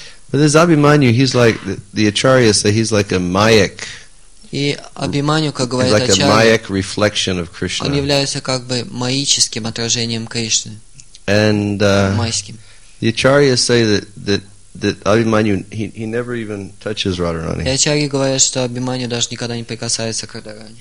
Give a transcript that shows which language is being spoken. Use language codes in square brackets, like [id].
[en] But this Abhimanyu, he's like the Acharya say, he's like a mayak. [ru] И Абхиманью, как говорят [en] like [ru] Ачарьи, [en] a mayak reflection of Krishna. [ru] Он является как бы майическим отражением Кришны. [en] And the Acharya say that Abhimanyu he never even touches Radharani. [ru] И Ачарьи говорят, что Абхиманью даже никогда не прикасается к Радхарани.